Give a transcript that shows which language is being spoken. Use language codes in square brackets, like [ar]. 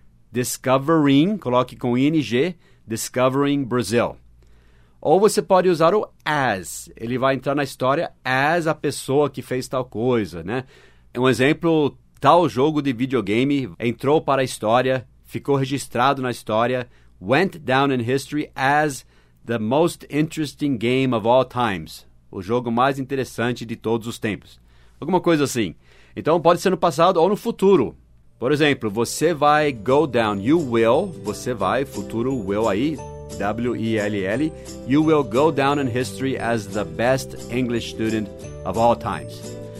[pt] Discovering, coloque com ing, [en] discovering Brazil. [pt] Ou você pode usar o as. Ele vai entrar na história as a pessoa que fez tal coisa, né? Um exemplo, tal jogo de videogame entrou para a história... Ficou registrado na história, [en] went down in history as the most interesting game of all times. [pt] O jogo mais interessante de todos os tempos. Alguma coisa assim. Então pode ser no passado ou no futuro. Por exemplo, você vai [en] go down, you will, você vai, futuro will aí, W-E-L-L, you will go down in history as the best English student of all times.